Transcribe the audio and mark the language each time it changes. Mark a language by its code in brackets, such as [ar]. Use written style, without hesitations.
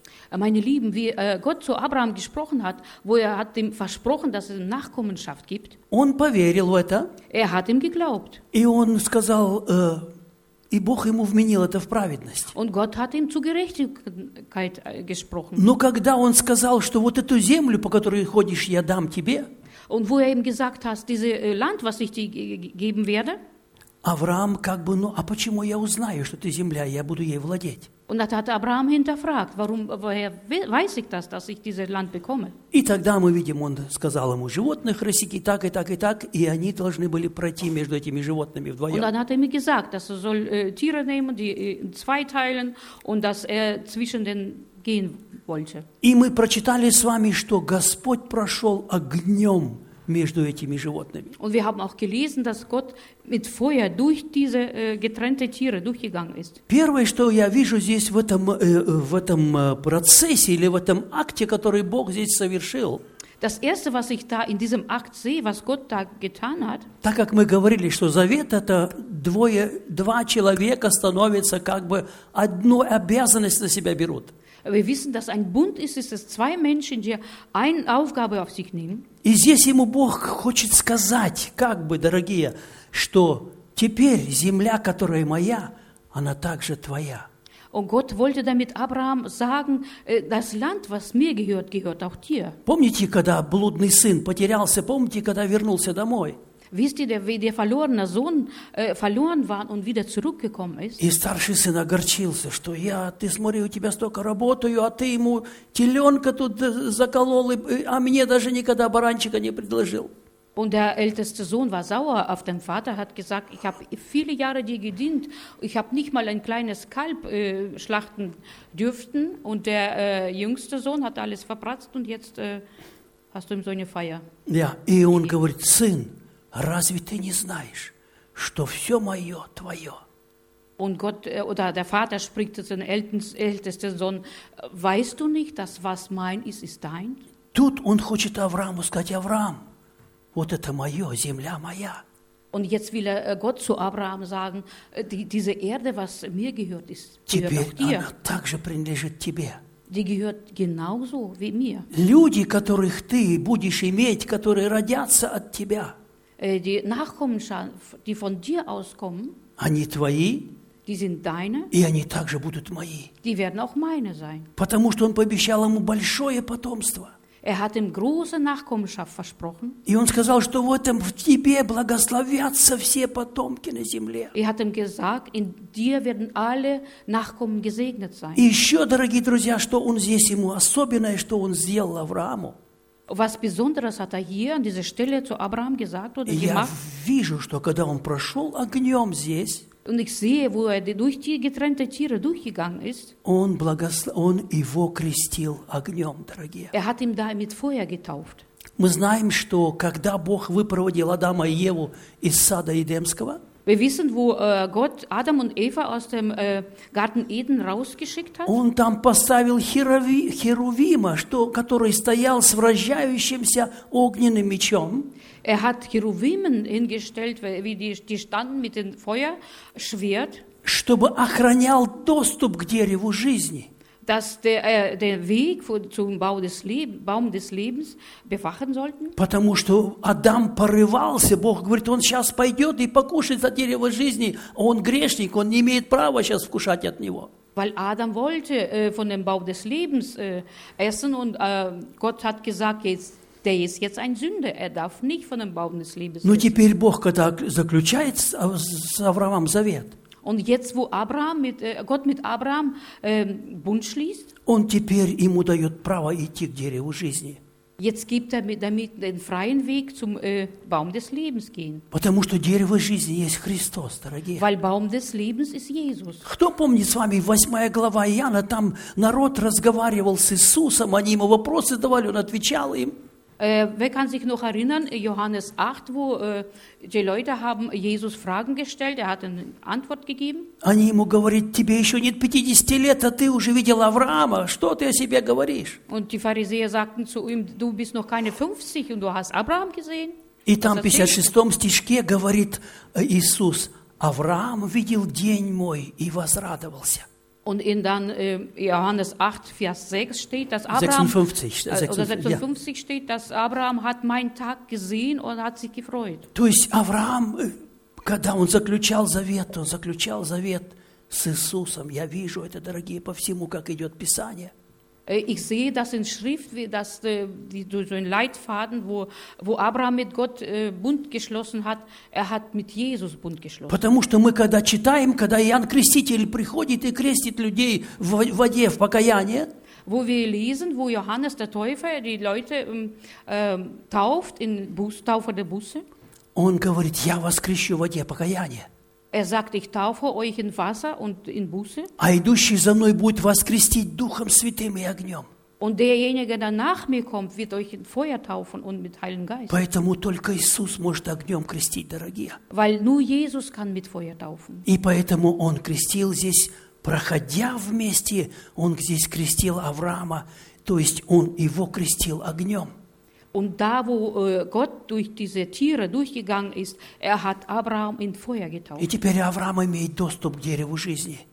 [de] Meine Lieben, wie Gott zu Abraham gesprochen hat, wo er hat ihm versprochen, dass es ihm Nachkommenschaft gibt, [ru] он поверил в это, [de] er hat ihm geglaubt. [ru] И он сказал, И Бог ему вменил это в праведность. [de] Und Gott hat ihm zu Gerechtigkeit gesprochen. [ru] Но когда он сказал, что вот эту землю, по которой ходишь, я дам тебе, [de] Und wo er ihm gesagt hat, dieses Land, was ich dir geben werde, [ru] Авраам как бы, ну а почему я узнаю, что ты земля, я буду ей владеть? [de] Und hat Abraham hinterfragt, warum, woher weiß ich das, dass ich dieses Land bekomme? [ru] И тогда мы видим, он сказал ему, животных рассеки так и так и так, и они должны были пройти между этими животными вдвоем. [de] Und dann hat ihm gesagt, dass soll Tiere nehmen, die in zwei teilen, und dass zwischen den gehen wollte. [ru] И мы прочитали с вами, что Господь прошел огнем между этими животными. [de] Und wir haben auch gelesen, dass Gott mit Feuer durch diese getrennte Tiere durchgegangen ist. [ru] Первое, что я вижу здесь в этом процессе или в этом акте, который Бог здесь совершил. [de] Das erste, was ich da in diesem Akt sehe, was Gott da getan hat. [ru] Так как мы говорили, что завет это два человека становятся как бы одну обязанность на себя берут. [de] Wir wissen, dass ein Bund ist, ist es zwei Menschen, die eine Aufgabe auf sich nehmen. [ru] И здесь ему Бог хочет сказать, как бы, дорогие, что теперь земля, которая моя, она также твоя. [de] Und Gott wollte damit Abraham sagen, das Land, was mir gehört, gehört auch dir. [ru] Помните, когда блудный сын потерялся, помните, когда вернулся домой? [de] Wisst ihr, wie der verlorene Sohn verloren war und wieder zurückgekommen ist? [ru] И старший сын огорчился, что я, ты смотри, у тебя столько работаю, а ты ему теленка тут заколол, а мне даже никогда баранчика не предложил. [de] Und der älteste Sohn war sauer auf den Vater, hat gesagt, ich habe viele Jahre dir gedient, ich habe nicht mal ein kleines Kalb schlachten dürften. Und der jüngste Sohn hat alles verpratzt und jetzt hast du ihm so eine Feier. [ru] Ja, и он говорит, сын, разве ты не знаешь, что все мое твое? [de] Und Gott oder der Vater spricht zu seinem ältesten Sohn: Weißt du nicht, dass was mein ist, ist dein? [ru] Тут он хочет Аврааму сказать: Авраам, вот это мое, земля моя. [de] Und jetzt will Gott zu Abraham sagen: Diese Erde, was mir gehört, ist [ru] Теперь [de] gehört auch dir. [ru] Она также принадлежит тебе. [de] Die gehört genauso wie mir. [ru] Люди, которых ты будешь иметь, которые родятся от тебя. [de] Die Nachkommen, die von dir auskommen. [ru] Они твои. [de] Die sind deine. [ru] И они также будут мои. [de] Die werden auch meine sein. [ru] Потому что он пообещал ему большое потомство. [de] Er hat ihm große Nachkommenschaft versprochen. [ru] И он сказал, что в этом в тебе благословятся все потомки на земле. [de] Er hat ihm gesagt, in dir werden alle Nachkommen gesegnet sein. [ru] И еще, дорогие друзья, что он здесь ему особенное, что он сделал Аврааму. [de] Was Besonderes hat hier an dieser Stelle zu Abraham gesagt oder gemacht? [ru] Я вижу, что когда он прошел огнем здесь, [de] und ich sehe, wo durch die getrennte Tiere durchgegangen ist. [ru] Он благослов... он его крестил огнем, дорогие. [de] Er hat ihn da mit Feuer getauft. [ru] Мы знаем, что когда Бог выпроводил Адама и Еву из сада Эдемского, [de] wir wissen, wo Gott Adam und Eva aus dem Garten Eden rausgeschickt hat. [ru] Он там поставил Херувима, что, который стоял с вращающимся огненным мечом. [de] Er hat Cherubimen hingestellt, wie die standen mit dem Feuerschwert. [ru] Чтобы охранял доступ к дереву жизни. [de] Dass der Weg zum Baum des Lebens bewachen sollten. [ru] Потому что Адам порывался, Бог говорит, он сейчас пойдет и покушает от дерева жизни, а он грешник, он не имеет права сейчас вкушать от него. [de] Weil Adam wollte von dem Baum des Lebens essen und Gott hat gesagt, der ist jetzt ein Sünder, er darf nicht von dem Baum des Lebens essen. [ru] Но теперь Бог, когда заключает с Авраамом завет, [de] und jetzt, wo Abraham mit, Gott mit Abraham Bund schließt, [ru] он теперь ему дает право идти к дереву жизни. [de] Jetzt gibt er damit den freien Weg zum Baum des Lebens gehen. [ru] Потому что дерево жизни есть Христос, дорогие. [de] Weil Baum des Lebens ist Jesus. [ru] Кто помнит с вами 8 глава Иоанна, там народ разговаривал с Иисусом, они ему вопросы давали, он отвечал им. [de] Wer kann sich noch erinnern, Johannes 8, wo die Leute haben Jesus Fragen gestellt, er hat eine Antwort gegeben. [ru] Они ему говорят, тебе еще нет 50 лет, а ты уже видел Авраама, что ты о себе говоришь? [de] Und die Pharisäer sagten zu ihm, du bist noch keine 50 und du hast Abraham gesehen. [ru] И там в 56 стишке говорит Иисус, Авраам видел день мой и возрадовался. [de] Und in dann Johannes 8, Vers 6 steht, dass Abraham, 56 ja. steht, dass Abraham hat meinen Tag gesehen und hat sich gefreut. [ru] То есть Авраам, когда он заключал завет, он заключал завет с Иисусом. Я вижу это, дорогие, по всему, как идет Писание. [de] Ich sehe das in Schrift, wie das so ein Leitfaden, wo Abraham mit Gott Bund geschlossen hat, er hat mit Jesus Bund geschlossen. [ru] Потому что мы когда читаем, когда Иоанн Креститель приходит и крестит людей в воде в покаянии, [de] wo wir lesen, wo Johannes der Täufer die Leute tauft in Taufe der Buße. [ru] Он говорит: "Я вас крещу в воде покаяния." [de] Er sagt, ich taufe euch in Wasser und in Buße. [ru] А идущий за мной будет вас крестить Духом Святым и огнем. [de] Und derjenige, der nach mir kommt, wird euch in Feuer taufen und mit Heiligen Geist. [ru] Поэтому только Иисус может огнем крестить, дорогие. [de] Weil nur Jesus kann mit Feuer taufen. [ru] И поэтому он крестил здесь, проходя вместе, он здесь крестил Авраама, то есть он его крестил огнем. [de] Und da, wo Gott durch diese Tiere durchgegangen ist, er hat Abraham in Feuer getauft. [ru] И теперь Авраам имеет доступ к дереву жизни.